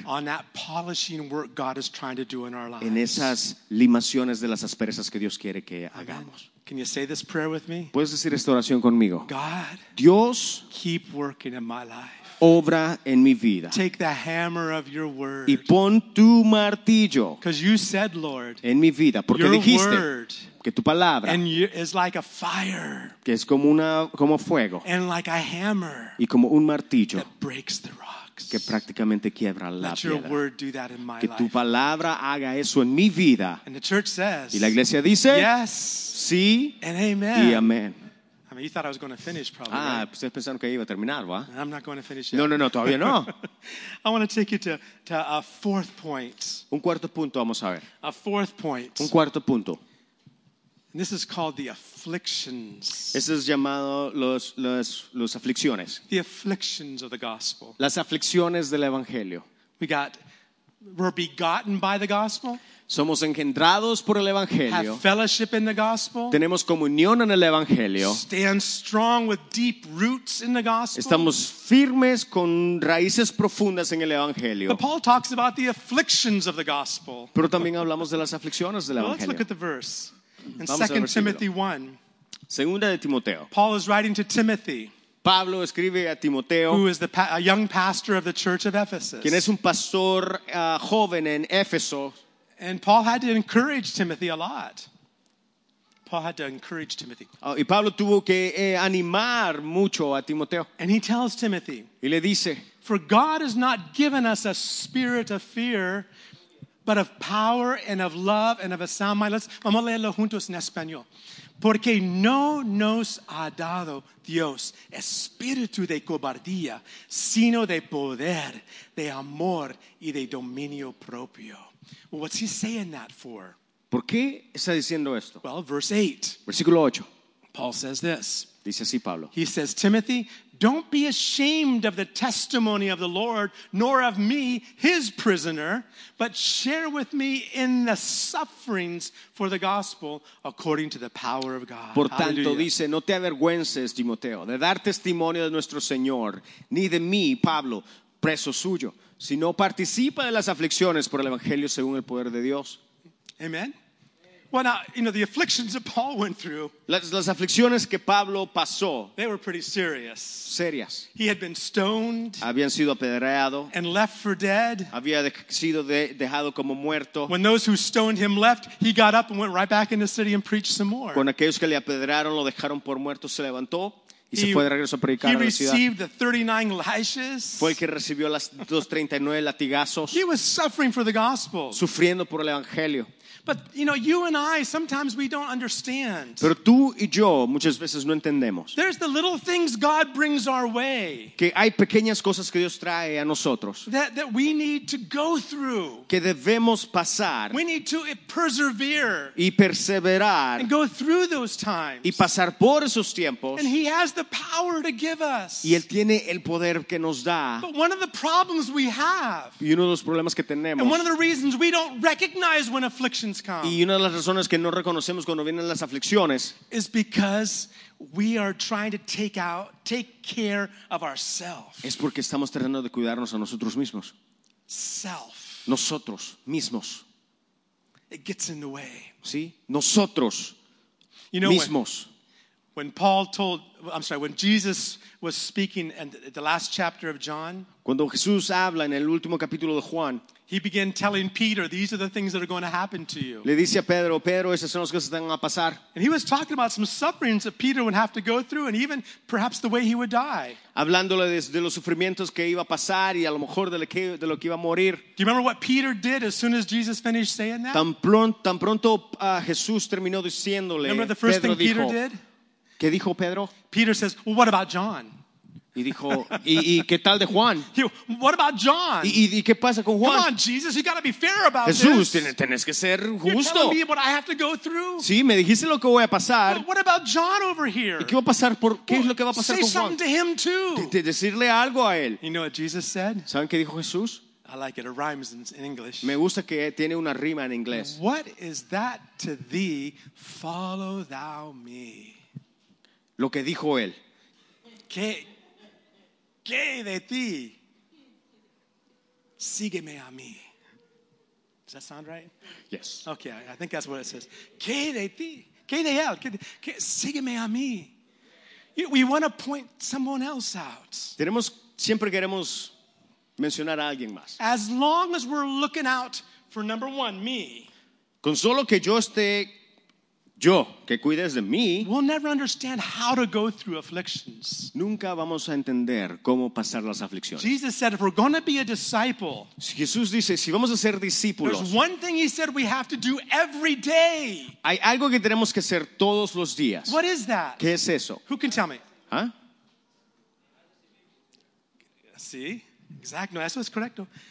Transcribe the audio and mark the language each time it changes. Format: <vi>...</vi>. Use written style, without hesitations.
<en>on that polishing work God is trying to do in our lives.</en> <es>En esas limaciones de las asperezas que Dios quiere que hagamos.</es> <en>Can you say this prayer with me?</en> <es>¿Puedes decir esta oración conmigo?</es> <en>God,</en> <es>Dios,</es> <en>keep working in my life.</en> <es>Obra en mi vida.</es> <en>Take the hammer of your word.</en> <es>Y pon tu martillo.</es> <en>Because you said, Lord,</en> <es>en mi vida, porque</es> <en>your</en> <es>dijiste</es> <en>word</en> <es>que tu palabra</es> <en>and you, is like a fire.</en> <es>Que es como una como fuego.</es> <en>And like a hammer.</en> <es>Y como un martillo.</es> <en>That breaks the rock.</en> <es>Que prácticamente quiebra la</es> <en>let</en> <es>piedra.</es> <en>Your word do that in my</en> <es>que tu</es> <en>life.</en> <es>Palabra haga eso en mi vida.</es> <en>And the church says,</en> <es>y la iglesia dice,</es> <en>yes,</en> <es>sí</es> <en>and amen.</en> <es>Y amén.</es> <en>I mean, you thought I was going to finish probably. Ah, right?</en> <es>Ustedes pensaron que iba a terminar, ¿va?</es> <en>I'm not going to finish yet.</en> <es>No, todavía no.</es> <en>I want to take you to a fourth point.</en> <es>Un cuarto punto, vamos a ver.</es> <en>A fourth point.</en> <es>Un cuarto punto.</es> <en>And this is called the afflictions.</en> <es>Eso es llamado los aflicciones.</es> <en>The afflictions of the gospel.</en> <es>Las aflicciones del evangelio.</es> <en>We're begotten by the gospel.</en> <es>Somos engendrados por el evangelio.</es> <en>Have fellowship in the gospel.</en> <es>Tenemos comunión en el evangelio.</es> <en>Stand strong with deep roots in the gospel.</en> <es>Estamos firmes con raíces profundas en el evangelio.</es> <en>But Paul talks about the afflictions of the gospel.</en> <es>Pero también hablamos de las aflicciones del evangelio.</es> <en>Well, let's look at the verse. In 2 Timothy 1,</en> <es>Segunda de Timoteo.</es> <en>Paul is writing to Timothy,</en> <es>Pablo escribe a Timoteo,</es> <en>who is a young pastor of the church of Ephesus.</en> <es>Quien es un pastor, joven en Éfeso.</es> <en>And Paul had to encourage Timothy a lot. Paul had to encourage Timothy.</en> <es>Y Pablo tuvo que animar mucho a Timoteo.</es> <en>And he tells Timothy,</en> <es>y le dice,</es> <en>for God has not given us a spirit of fear, but of power and of love and of a sound mind.</en> <es>Vamos a leerlo juntos en español. Porque no nos ha dado Dios espíritu de cobardía, sino de poder, de amor y de dominio propio.</es> <en>Well, what's he saying that for?</en> <es>¿Por qué está diciendo esto?</es> <en>Well, verse 8.</en> <es>Versículo 8.</es> <en>Paul says this.</en> <es>Dice así Pablo.</es> <en>He says, Timothy, don't be ashamed of the testimony of the Lord, nor of me, his prisoner, but share with me in the sufferings for the gospel according to the power of God.</en> <es>Por tanto, hallelujah. Dice, no te avergüences, Timoteo, de dar testimonio de nuestro Señor, ni de mí, Pablo, preso suyo, sino participa de las aflicciones por el evangelio según el poder de Dios.</es> <en>Amen. Well, now, you know, the afflictions that Paul went through,</en> <es>las aflicciones que Pablo pasó,</es> <en>they were pretty serious.</en> <es>Serias.</es> <en>He had been stoned.</en> <es>Habían sido apedreado.</es> <en>And left for dead.</en> <es>Había sido dejado como muerto.</es> <en>When those who stoned him left, he got up and went right back in the city and preached some more.</en> <es>Con aquellos que le apedrearon, lo dejaron por muerto, se levantó. Y se fue de regreso a predicar</es> <en>he received the 39 lashes.</en> <es>Fue el que recibió las 39 latigazos.</es> <en>He was suffering for the gospel.</en> <es>Sufriendo por el evangelio.</es> <en>But you know, you and I sometimes we don't understand.</en> <es>Pero tú y yo muchas veces no entendemos.</es> <en>There's the little things God brings our way.</en> <es>Que hay pequeñas cosas que Dios trae a nosotros.</es> <en>That we need to go through.</en> <es>Que debemos pasar.</es> <en>We need to persevere.</en> <es>Y perseverar.</es> <en>And go through those times.</en> <es>Y pasar por esos tiempos.</es> <en>And He has the power to give us.</en> <es>Y él tiene el poder que nos da.</es> <en>But one of the problems we have.</en> <es>Y uno de los problemas que tenemos.</es> <en>And one of the reasons we don't recognize when affliction.</en> <es>Y una de las razones que no reconocemos cuando vienen las aflicciones</es> <en>is because we are trying to take care of ourselves.</en> <es>Es porque estamos tratando de cuidarnos a nosotros mismos.</es> <en>Self.</en> <es>Nosotros mismos.</es> <en>It gets in the way.</en> <es>¿Sí? Nosotros</es> <en>you know</en> <es>mismos.</es> <en>When, When Paul told, I'm sorry, when Jesus was speaking in the last chapter of John,</en> <es>cuando Jesús habla en el último capítulo de Juan,</es> <en>he began telling Peter, these are the things that are going to happen to you.</en> <es>Le dice a Pedro, Pedro, esas son las cosas que van a pasar.</es> <en>And he was talking about some sufferings that Peter would have to go through and even perhaps the way he would die.</en> <es>Hablándole de los sufrimientos que iba a pasar y a lo mejor de lo que iba a morir.</es> <en>Do you remember what Peter did as soon as Jesus finished saying that?</en> <es>Tan pronto Jesús terminó diciéndole,</es> <en>remember the first</en> <es>Pedro</es> <en>thing</en> <es>dijo,</es> <en>Peter did?</en> <es>¿Qué dijo Pedro?</es> <en>Peter says, well, what about John?</en> <es>Y dijo, ¿y qué tal de Juan?</es> <en>What about John?</en> <es>¿Y qué pasa con Juan?</es> <en>Come on, Jesus, you got to be fair about this.</en> <es>Jesús, tienes que ser justo.</es> <en>You're telling me what I have to go through.</en> <es>Sí, me dijiste lo que voy a pasar.</es> <en>What about John over here?</en> <es>¿Y qué va a pasar por qué es lo que va a pasar con Juan?</es> <en>Say something to him too.</en> <es>Decirle algo a él.</es> <en>You know what Jesus said?</en> <es>¿Saben qué dijo Jesús?</es> <en>I like it. It rhymes in English.</en> <es>Me gusta que tiene una rima en inglés.</es> <en>What is that to thee? Follow thou me.</en> <es>Lo que dijo él. ¿Qué? ¿Qué de ti? Sígueme a mí.</es> <en>Does that sound right? Yes. Okay, I think that's what it says.</en> <es>¿Qué de ti? ¿Qué de él? ¿Qué? Sígueme a mí.</es> <en>You know, we want to point someone else out.</en> <es>Siempre queremos mencionar a alguien más.</es> <en>As long as we're looking out for number one, me.</en> <es>Con solo que yo esté yo, que cuides de mí,</es> <en>we'll never understand how to go through afflictions.</en> <es>Nunca vamos a entender cómo pasar las aflicciones.</es> <en>Jesus said, if we're going to be a disciple,</en> <es>si Jesús dice, si vamos a ser discípulos,</es> <en>there's one thing he said we have to do every day.</en> <es>Hay algo que tenemos que hacer todos los días.</es> <en>What is that?</en> <es>¿Qué es eso?</es> <en>Who can tell me? Huh?</en> <es>Sí, exacto, eso es correcto.</es>